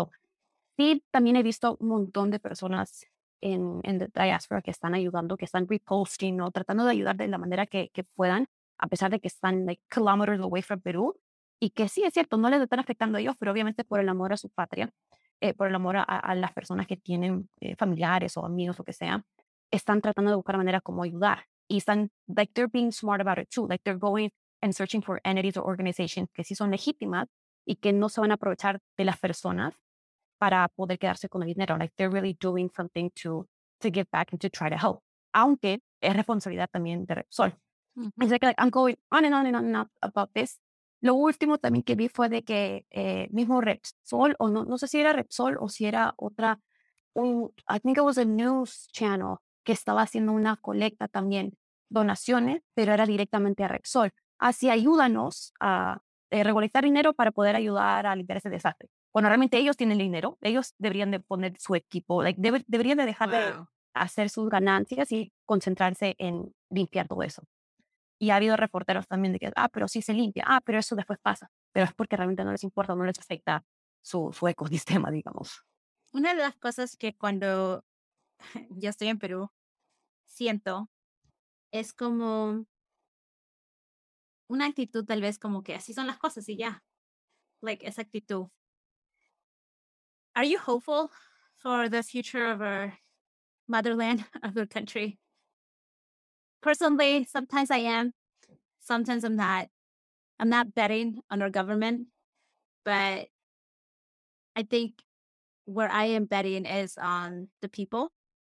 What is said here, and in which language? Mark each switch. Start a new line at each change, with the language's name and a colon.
Spanish: So, sí, también he visto un montón de personas en
English: the diaspora
Spanish: que están ayudando, que están reposting o tratando de ayudar de la manera que puedan, a pesar de que están
English: like kilometers away from
Spanish: Perú. Y que sí, es cierto, no les están afectando a ellos, pero obviamente por el amor a su patria, por el amor a las personas que tienen familiares o amigos o que sea, están tratando de buscar manera como ayudar. Y están,
English: like, they're being smart about it too. Like, they're going and searching for entities or organizations
Spanish: que sí son legítimas y que no se van a aprovechar de las personas para poder quedarse con el dinero.
English: Like, they're really doing something to give back and to try to help.
Spanish: Aunque es responsabilidad también de Repsol.
English: Mm-hmm. It's like, I'm going on and on and on and on about this.
Spanish: Lo último también que vi fue de que mismo Repsol, o no sé si era Repsol o si era otra,
English: I think it was a news channel,
Spanish: que estaba haciendo una colecta también, donaciones, pero era directamente a Repsol. Así, ayúdanos a recolectar dinero para poder ayudar a limpiar ese desastre. Cuando realmente ellos tienen el dinero, ellos deberían de poner su equipo, like, deberían de dejar de hacer sus ganancias y concentrarse en limpiar todo eso. Y ha habido reporteros también de que, pero sí se limpia, pero eso después pasa. Pero es porque realmente no les importa, no les afecta su ecosistema, digamos. Una de las cosas que cuando... Ya estoy en Perú, siento es como una actitud, tal vez como que así son las cosas y ya. Like, esa actitud.
English: Are you hopeful for the future of our motherland, of our country? Personally, sometimes I am. Sometimes I'm not. I'm not betting on our government. But I think where I am betting is on the people.